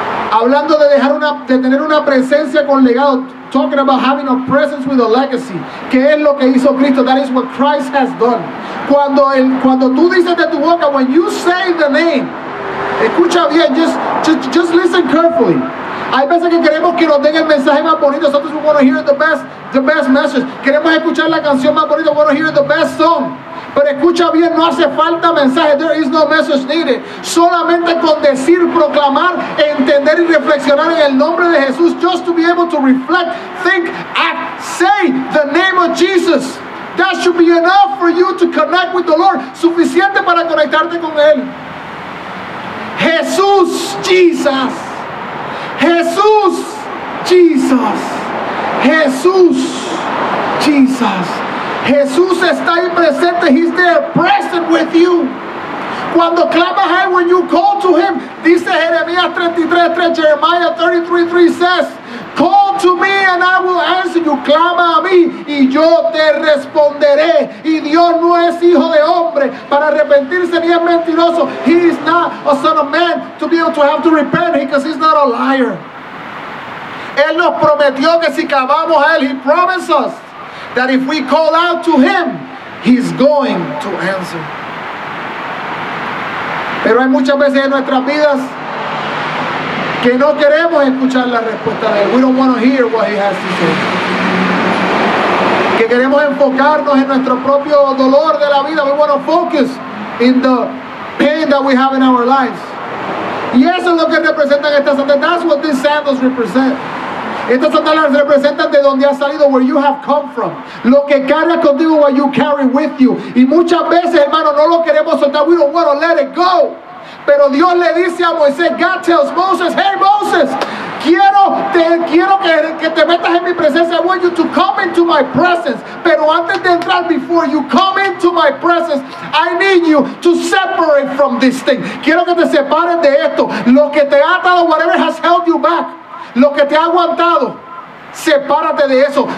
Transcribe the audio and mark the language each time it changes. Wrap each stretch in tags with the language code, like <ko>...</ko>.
<es>Hablando de dejar una, de tener una presencia con legado.</es> <en>Talking about having a presence with a legacy.</en> <es>¿Qué es lo que hizo Cristo?</es> <en>That is what Christ has done.</en> <es>Cuando, cuando tú dices de tu boca,</es> <en>when you say the name,</en> <es>escucha bien,</es> <en>just listen carefully.</en> <es>Hay veces que queremos que nos den el mensaje más bonito.</es> <en>Sometimes we want to hear the best message.</en> <es>Queremos escuchar la canción más bonita.</es> <en>We want to hear the best song.</en> <es>Pero escucha bien, no hace falta mensaje.</es> <en>There is no message needed.</en> <es>Solamente con decir, proclamar, entender y reflexionar en el nombre de Jesús.</es> <en>Just to be able to reflect, think, act, say the name of Jesus. That should be enough for you to connect with the Lord.</en> <es>Suficiente para conectarte con Él. Jesús, Jesus. Jesús, Jesus. Jesús, Jesus. Jesús está ahí presente.</es> <en>He's there present with you.</en> <es>Cuando clamas a Él,</es> <en>when you call to Him,</en> <es>dice Jeremías 33:3,</es> <en>Jeremiah 33:3 says, call to me and I will answer you.</en> <es>Clama a mí y yo te responderé. Y Dios no es hijo de hombre para arrepentirse ni es mentiroso.</es> <en>He is not a son of man to be able to have to repent because he's not a liar.</en> <es>Él nos prometió que si clamamos a Él,</es> <en>He promised us that if we call out to Him, He's going to answer.</en> <es>Pero hay muchas veces en nuestras vidas que no queremos escuchar la respuesta de Él.</es> <en>We don't want to hear what He has to say.</en> <es>Que queremos enfocarnos en nuestro propio dolor de la vida.</es> <en>We want to focus in the pain that we have in our lives.</en> <es>Y eso es lo que representan estas sandalias.</es> <en>That's what these sandals represent.</en> <es>Estas sandalias representan de donde has salido,</es> <en>where you have come from.</en> <es>Lo que cargas contigo,</es> <en>what you carry with you.</en> <es>Y muchas veces, hermano, no lo queremos soltar.</es> <en>We don't want to let it go.</en> <es>Pero Dios le dice a Moisés,</es> <en>God tells Moses, hey Moses,</en> <es>quiero que te metas en mi presencia.</es> <en>I want you to come into my presence.</en> <es>Pero antes de entrar,</es> <en>before you come into my presence, I need you to separate from this thing.</en> <es>Quiero que te separes de esto. Lo que te ha atado,</es> <en>whatever has held you back.</en> <es>Lo que te ha aguantado, sepárate de eso.</es>